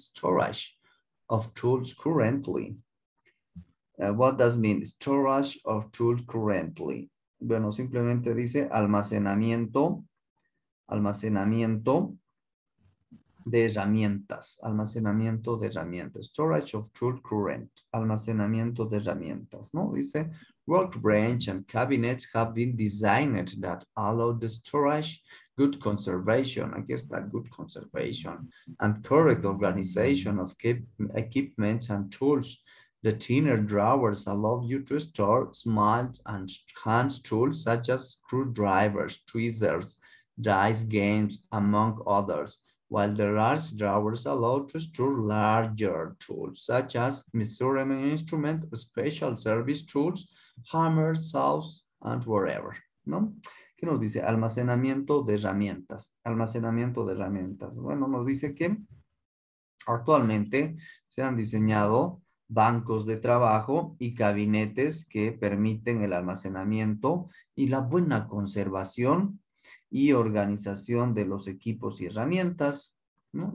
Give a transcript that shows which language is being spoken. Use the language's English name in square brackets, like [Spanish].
[English] Storage of tools currently. What does mean storage of tools currently? [Spanish] Bueno, simplemente dice almacenamiento de herramientas, almacenamiento de herramientas, [English] storage of tools current, [Spanish] almacenamiento de herramientas, ¿no? [English] Dice, workbench and cabinets have been designed that allow the storage, good conservation, [Spanish] aquí está, [English] good conservation, and correct organization of equipment and tools. The thinner drawers allow you to store small and hand tools such as screwdrivers, tweezers, dice games, among others, while the large drawers allow to store larger tools such as measuring instruments, special service tools, hammers, saws, and whatever. [Spanish] ¿No? ¿Qué nos dice? Almacenamiento de herramientas. Almacenamiento de herramientas. Bueno, nos dice que actualmente se han diseñado bancos de trabajo y gabinetes que permiten el almacenamiento y la buena conservación y organización de los equipos y herramientas, ¿no?